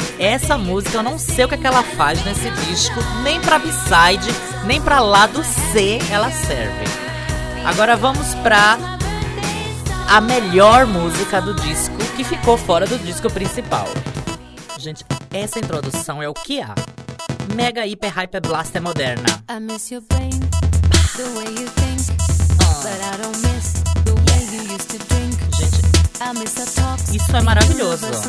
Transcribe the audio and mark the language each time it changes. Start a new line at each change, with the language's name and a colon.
Portuguese: Essa música, eu não sei o que, é que ela faz nesse disco, nem pra B-side, nem pra lado C ela serve. Agora vamos pra a melhor música do disco, que ficou fora do disco principal. Gente, essa introdução é o que há.
English: Mega Hyper Hyper Blaster Moderna. I miss your brain, the way you think, but I don't miss the way you used to drink.
Portuguese: Gente, isso é maravilhoso.